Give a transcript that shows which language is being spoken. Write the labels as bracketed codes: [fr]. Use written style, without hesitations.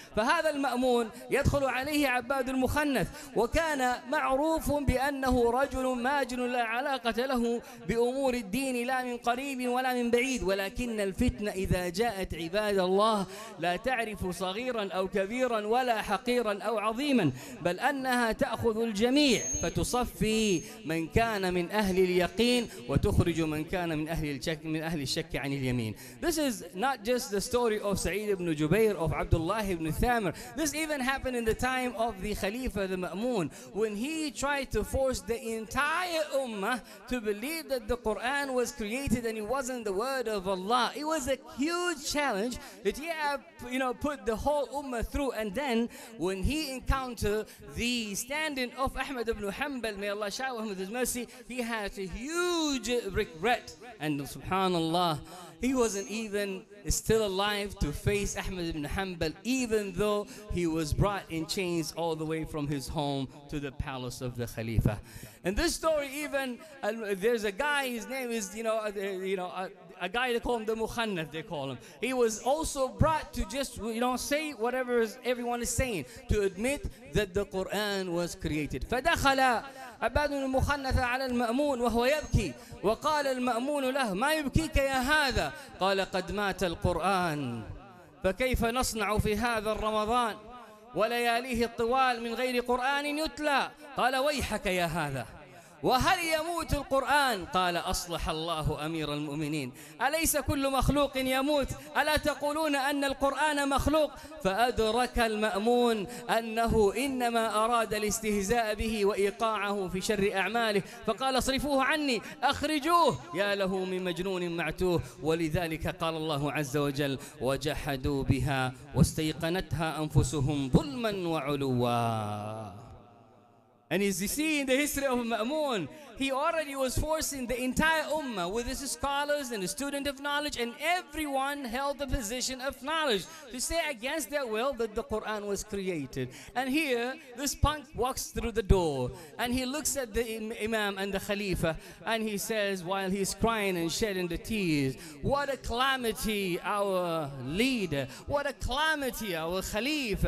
[ar] فهذا المأمون يدخل عليه عباد المخنث، وكان معروف بأنه رجل ماجن لا علاقة له بأمور الدين لا من قريب ولا من بعيد، ولكن الفتنة إذا جاءت عباد الله لا تعرف صغيرا أو كبيرا ولا حقيرا أو عظيما، بل أنها تأخذ الجميع، فتصفي من كان من أهل اليقين وتخرج من كان من أهل الشك عن اليمين. [en] This is not just the story of Sa'id ibn Jubayr of Abdullah ibn Thamar. This even happened in the time of the Khalifa the Ma'mun, when he tried to force the entire ummah to believe that the Quran was created and it wasn't the word of Allah. It was a huge challenge that he had, you know, put the whole ummah through. And then when he encountered the standing of Ahmad ibn Hanbal, may Allah shower him with his mercy, he had a huge regret. And subhanallah, he wasn't even still alive to face Ahmad ibn Hanbal, even though he was brought in chains all the way from his home to the palace of the Khalifa. And this story, even there's a guy, his name is, a guy they call him the Mukhannath, they call him. He was also brought to just, you know, say whatever everyone is saying, to admit that the Quran was created. [ar] فَدَخَلَ عَبَادٌ الْمُخَنَّثَ عَلَى الْمَأْمُونَ وَهُوَ يَبْكِي وَقَالَ الْمَأْمُونُ لَهُ مَا يُبْكِيكَ يَا هَذَا قَالَ قَدْ مَاتَ الْقُرْآنِ فَكَيْفَ نَصْنَعُ فِي هَذَا الرَّمَضَانِ ولياليه الطوال من غير قرآن يتلى قال ويحك يا هذا وهل يموت القرآن قال أصلح الله أمير المؤمنين أليس كل مخلوق يموت ألا تقولون أن القرآن مخلوق فأدرك المأمون أنه إنما أراد الاستهزاء به وإيقاعه في شر أعماله فقال اصرفوه عني أخرجوه يا له من مجنون معتوه ولذلك قال الله عز وجل وجحدوا بها واستيقنتها أنفسهم ظلما وعلوا. [en] And as you see in the history of Ma'mun, he already was forcing the entire ummah with his scholars and his student of knowledge, and everyone held the position of knowledge to say against their will that the Quran was created. And here, this punk walks through the door and he looks at the imam and the khalifa and he says, while he's crying and shedding the tears, what a calamity our leader, what a calamity our khalifa.